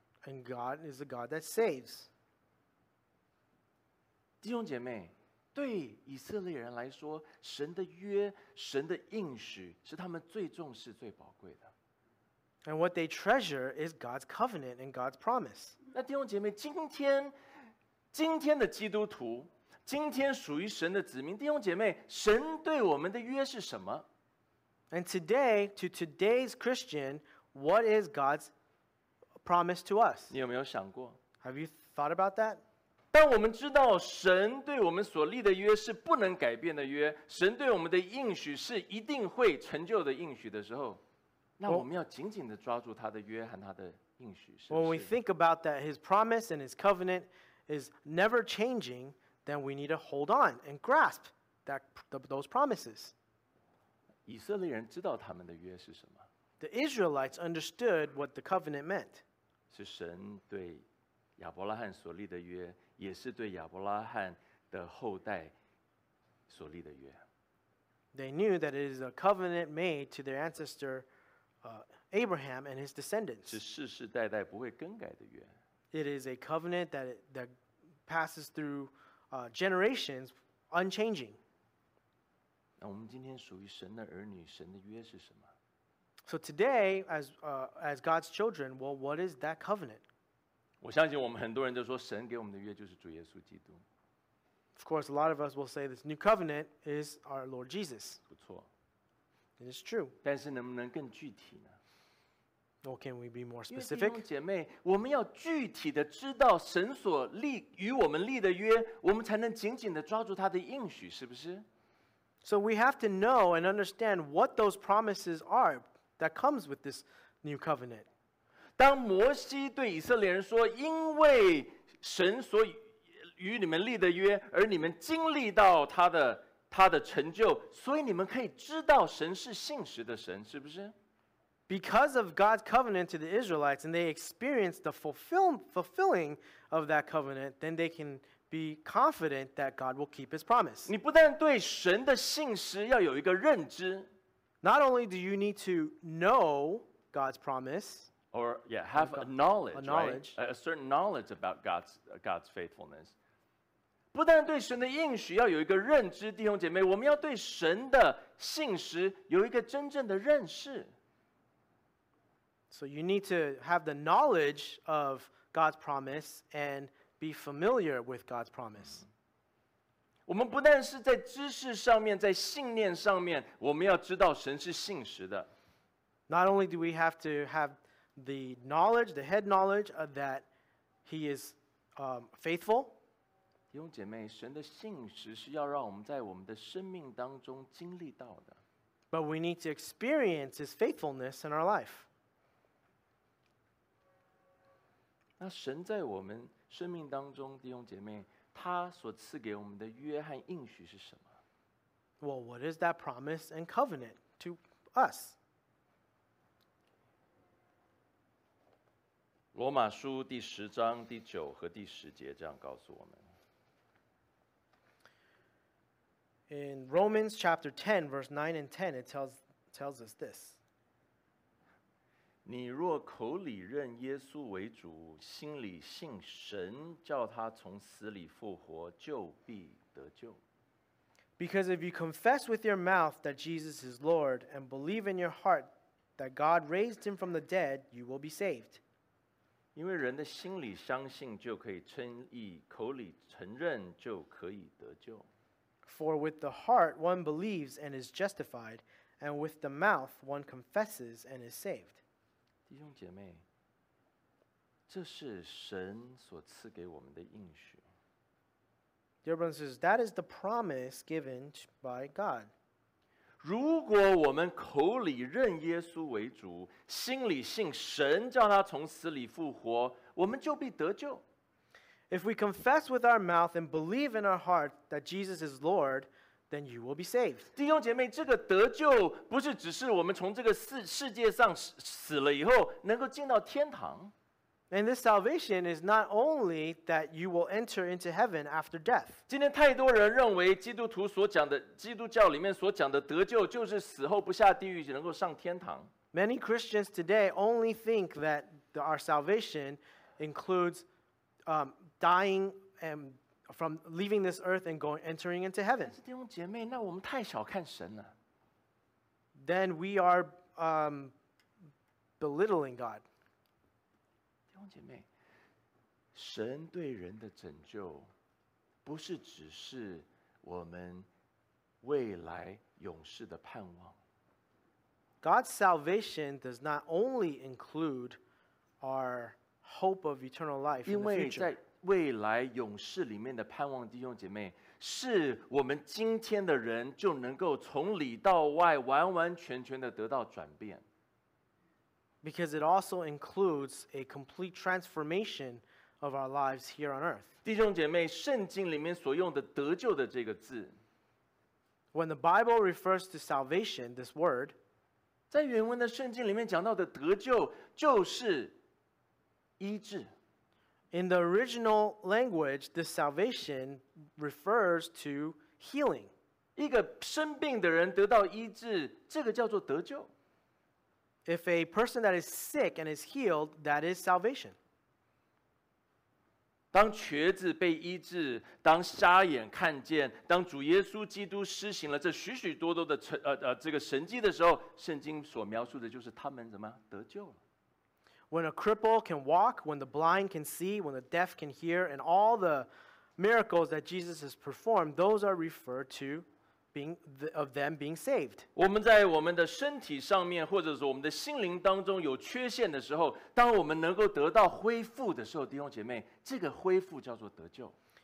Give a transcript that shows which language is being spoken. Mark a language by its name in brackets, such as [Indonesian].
[English] And God is a God that saves. [Chinese] 弟兄姐妹，对以色列人来说，神的约，神的应许是他们最重视最宝贵的。 [English] And what they treasure is God's covenant and God's promise. [Chinese] 那弟兄姐妹，今天的基督徒，今天属于神的子民，弟兄姐妹，神对我们的约是什么？ [English] And today, to today's Christian, what is God's promise to us? [Chinese] 你有没有想过？ [English] Have you thought about that? [Chinese] 当我们知道神对我们所立的约是不能改变的约，神对我们的应许是一定会成就的应许的时候，那我们要紧紧地抓住他的约和他的应许，是不是？ [English] When we think about that, his promise and his covenant is never changing, then we need to hold on and grasp those promises. [Chinese] 以色列人知道他们的约是什么？ [English] The Israelites understood what the covenant meant. [Chinese] 是神对亚伯拉罕所立的约，也是对亚伯拉罕的后代所立的约。 [English] They knew that it is a covenant made to their ancestor Abraham and his descendants. [Chinese] 是世世代代不会更改的约。 [English] It is a covenant that passes through generations unchanging. [Chinese] 那我们今天属于神的儿女，神的约是什么？ [English] So today, as God's children, well, what is that covenant? [Chinese] 我相信我们很多人就说，神给我们的约就是主耶稣基督。 [English] Of course, a lot of us will say this new covenant is our Lord Jesus. [Chinese] 不错。 [English] It is true. [Chinese] 但是能不能更具体呢？ [English] Or can we be more specific? [Chinese] 因为弟兄姐妹，我们要具体的知道神所立与我们立的约，我们才能紧紧的抓住他的应许，是不是？ [English] So we have to know and understand what those promises are that comes with this new covenant. [Chinese] 当摩西对以色列人说，因为神所与你们立的约，而你们经历到他的成就，所以你们可以知道神是信实的神，是不是？ [English] Because of God's covenant to the Israelites, and they experience the fulfilling of that covenant, then they can be confident that God will keep His promise. [Chinese] 你不但对神的信实要有一个认知， [English] not only do you need to know God's promise, or yeah, have God, a knowledge, right? A certain knowledge about God's faithfulness. [Chinese] 不但对神的应许要有一个认知，弟兄姐妹，我们要对神的信实有一个真正的认识。 [English] So you need to have the knowledge of God's promise and be familiar with God's promise. [Chinese] 我们不但是在知识上面，在信念上面，我们要知道神是信实的。 [English] Not only do we have to have the knowledge, the head knowledge of that He is faithful. [Chinese] 弟兄姐妹，神的信实是要让我们在我们的生命当中经历到的。 [English] But we need to experience His faithfulness in our life. [Chinese] 那神在我们生命当中，弟兄姐妹，他所赐给我们的约和应许是什么？ [English] Well, what is that promise and covenant to us? [Chinese] 罗马书第十章第九和第十节这样告诉我们。 [English] In Romans chapter 10, verse 9 and 10, it tells us this. [Chinese] 你若口里认耶稣为主，心里信神叫他从死里复活，就必得救。 [English] Because if you confess with your mouth that Jesus is Lord and believe in your heart that God raised him from the dead, you will be saved. [Chinese] 因为人的心里相信就可以称义，口里承认就可以得救。 [English] For with the heart one believes and is justified, and with the mouth one confesses and is saved. [Chinese] 弟兄姐妹，这是神所赐给我们的应许。 [English] Dear brothers and sisters, that is the promise given by God. [Chinese] 如果我们口里认耶稣为主，心里信神叫他从死里复活，我们就必得救。 [English] If we confess with our mouth and believe in our heart that Jesus is Lord, then you will be saved. [Chinese] 弟兄姐妹，这个得救不是只是我们从这个世界上死了以后能够进到天堂。 [English] And this salvation is not only that you will enter into heaven after death. [Chinese] 今天太多人认为基督徒所讲的基督教里面所讲的得救就是死后不下地狱能够上天堂。 [English] Many Christians today only think that our salvation includes dying and from leaving this earth and going entering into heaven. [Chinese] 但是弟兄姐妹，那我们太小看神了。 [English] Then we are belittling God. [Chinese] 弟兄姐妹，神对人的拯救不是只是我们未来永世的盼望。 [English] God's salvation does not only include our hope of eternal life in the future. [Chinese] 因为在未来永世里面的盼望，弟兄姐妹，是我们今天的人就能够从里到外完完全全的得到转变。 [English] Because it also includes a complete transformation of our lives here on earth. [Chinese] 弟兄姐妹，圣经里面所用的得救的这个字， [English] When the Bible refers to salvation, this word, [Chinese] 在原文的圣经里面讲到的得救就是医治。 [English] In the original language, the salvation refers to healing. [Chinese] 一个生病的人得到医治，这个叫做得救。 [English] If a person that is sick and is healed, that is salvation. [Chinese] 当瘸子被医治，当瞎眼看见，当主耶稣基督施行了这许许多多的这个神迹的时候，圣经所描述的就是他们怎么得救了。 [English] When a cripple can walk, when the blind can see, when the deaf can hear, and all the miracles that Jesus has performed, those are referred to of them being saved. [Chinese] 我们在我们的身体上面，或者是我们的心灵当中有缺陷的时候，当我们能够得到恢复的时候，弟兄姐妹，这个恢复叫做得救。